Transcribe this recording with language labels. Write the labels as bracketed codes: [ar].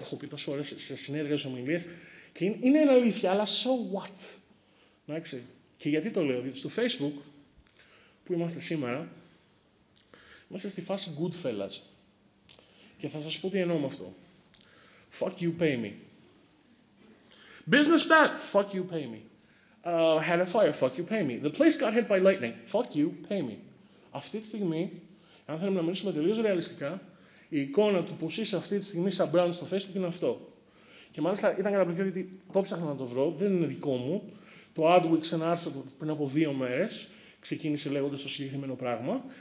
[el] Το έχω πει τόσες ώρες σε συνέδρια, σε ομιλίες. Και είναι αλήθεια, αλλά [en] so what. [el] Εντάξει. Και γιατί το λέω, διότι στο Facebook που είμαστε σήμερα, είμαστε στη φάση Goodfellas. Και θα σας πω τι εννοώ με αυτό. [en] Fuck you, pay me. Business bad, fuck you, pay me. Had a fire, fuck you, pay me. The place got hit by lightning, fuck you, pay me. [el] Αυτή τη στιγμή, αν θέλουμε να μιλήσουμε τελείως ρεαλιστικά, η εικόνα του πως είσαι αυτή τη στιγμή σαν brand στο Facebook είναι αυτό. Και μάλιστα ήταν καταπληκτικό γιατί το ψάχνω να το βρω, δεν είναι δικό μου. Το AdWords, ένα άρθρο πριν από 2 μέρες, ξεκίνησε λέγοντας το συγκεκριμένο πράγμα.